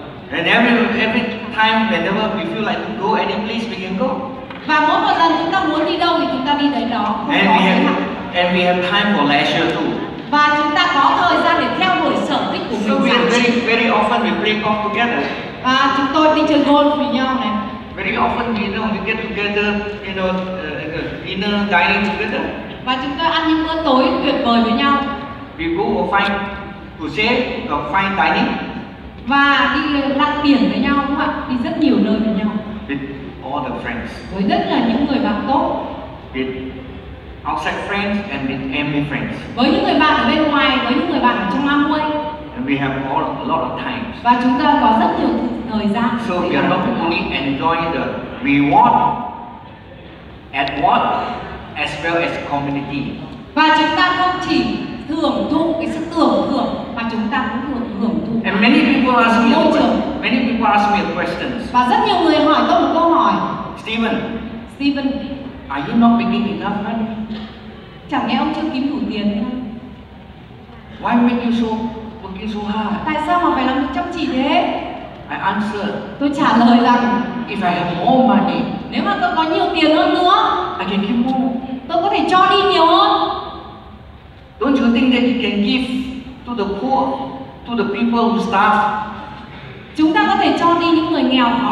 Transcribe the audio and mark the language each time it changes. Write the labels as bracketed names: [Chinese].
[English] And every time whenever we feel like go any place we can go. [Vietnamese] Và mỗi một lần chúng ta muốn đi đâu thì chúng ta đi đến đó. [English] And we have time for leisure too. [Vietnamese] Và chúng ta có thời gian để theo đuổi sở thích của mình. [English] So we very often we play golf together. [Vietnamese] Và chúng tôi đi chơi golf với nhau này. [English] Very often we know we get together, you know, dinner dining together. [Vietnamese] Và chúng tôi ăn những bữa tối tuyệt vời với nhau. [English] We go for fine cuisine or fine dining. [Vietnamese] Và đi lặn biển với nhau đúng không ạ? Đi rất nhiều nơi với nhau. [English] With all the friends. [Vietnamese] Với rất là những người bạn tốt. [English] With outside friends and with family friends. [Vietnamese] Với những người bạn ở bên ngoài, với những người bạn ở trong Amway. [English] And we have all a lot of time. [Vietnamese] Và chúng ta có rất nhiều thời gian. [English] So we are not only enjoy the reward at work as well as community. [Vietnamese] Và chúng ta không chỉ thưởng thụ cái sự thưởng mà chúng ta cũng hưởng thụ. [English] And many people ask me questions. [Vietnamese] Và rất nhiều người hỏi tôi một câu hỏi. [English] Steven. Are you not making enough money? [Vietnamese] Chẳng lẽ ông chưa kiếm đủ tiền không? [English] Why make you so working so hard? [Vietnamese] Tại sao mà phải làm chăm chỉ thế? [English] I answer. [Vietnamese] Tôi trả lời rằng [English] if I have more money, [Vietnamese] nếu mà tôi có nhiều tiền hơn nữa, [English] I can give more. [Vietnamese] Tôi có thể cho đi nhiều hơn. [English] Don't you think that you can give to the poor, to the people who starve? [Vietnamese] Chúng ta có thể cho đi những người nghèo khó.